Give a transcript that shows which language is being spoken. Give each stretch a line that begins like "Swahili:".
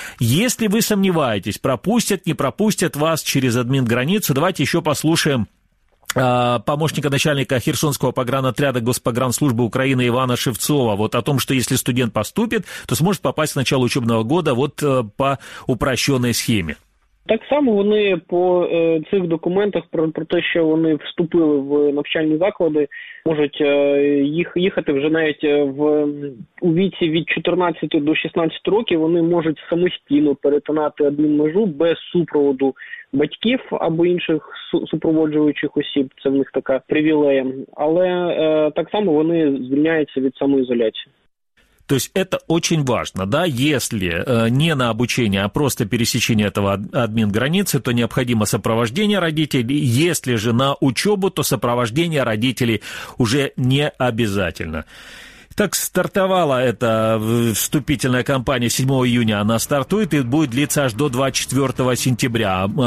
Russian: Если вы сомневаетесь, пропустят, не пропустят вас через админграницу, давайте еще послушаем помощника начальника Херсонского погранотряда Госпогранслужбы Украины Ивана Шевцова вот о том, что если студент поступит, то сможет попасть в начало учебного года вот по упрощенной схеме.
Ukrainian: Так само вони по цих документах про те, що вони вступили в навчальні заклади, можуть їхати вже навіть у віці від 14 до 16 років, вони можуть самостійно перетинати одну межу без супроводу батьків або інших супроводжуючих осіб. Це в них така привілея. Але так само вони звільняються від самоізоляції.
Russian: То есть это очень важно, да, если не на обучение, а просто пересечение этого админ-границы, то необходимо сопровождение родителей, если же на учебу, то сопровождение родителей уже не обязательно. Так стартовала эта вступительная кампания 7 июня, она стартует и будет длиться аж до 24 сентября.